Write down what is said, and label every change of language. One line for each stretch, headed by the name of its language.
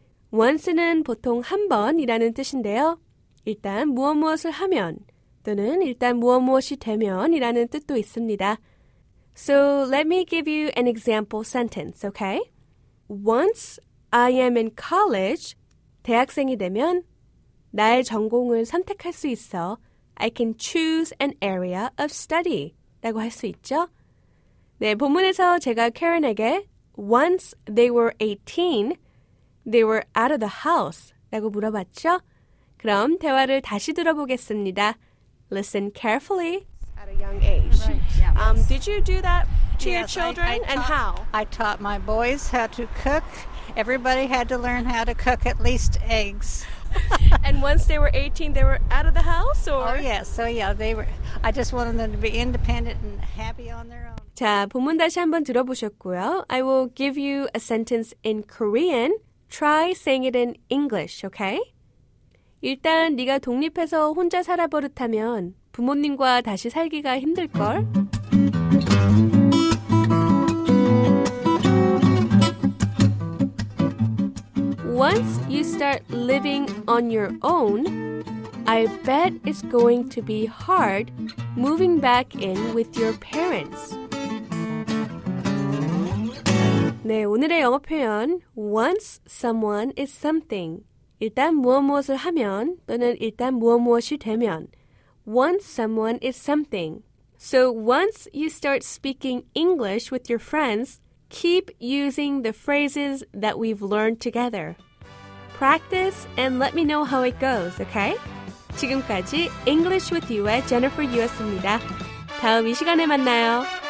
Korean: Once는 보통 한 번이라는 뜻인데요. 일단 무엇무엇을 하면 또는 일단 무엇무엇이 되면이라는 뜻도 있습니다.
English: So let me give you an example sentence, okay? Once I am in college,
Korean: 대학생이 되면 나의 전공을 선택할 수 있어.
English: I can choose an area of study
Korean: 라고 할 수 있죠. 네, 본문에서 제가 Karen에게
English: Once they were 18, they were out of the house
Korean: 라고 물어봤죠. 그럼 대화를 다시 들어보겠습니다.
English: Listen carefully. At a young age. Right. Yeah, did you do that to yes, your children? And how? I taught my boys how to cook. Everybody had to learn how to cook at least eggs. And once they were 18, they were out of the house? I just wanted them to be independent and happy on their own.
Korean: 자, 본문 다시 한번 들어보셨고요.
English: I will give you a sentence in Korean. Try saying it in English, okay?
Korean: 일단 네가 독립해서 혼자 살아버릇하면 부모님과 다시 살기가 힘들걸?
English: Once you start living on your own, I bet it's going to be hard moving back in with your parents.
Korean: 네, 오늘의 영어 표현
English: Once someone is something.
Korean: 일단 무엇무엇을 하면 또는 일단 무엇무엇이 되면
English: Once someone is something. So once you start speaking English with your friends, keep using the phrases that we've learned together. Practice and let me know how it goes, okay?
Korean: 지금까지 English with You의 Jennifer 유였습니다. 다음 이 시간에 만나요.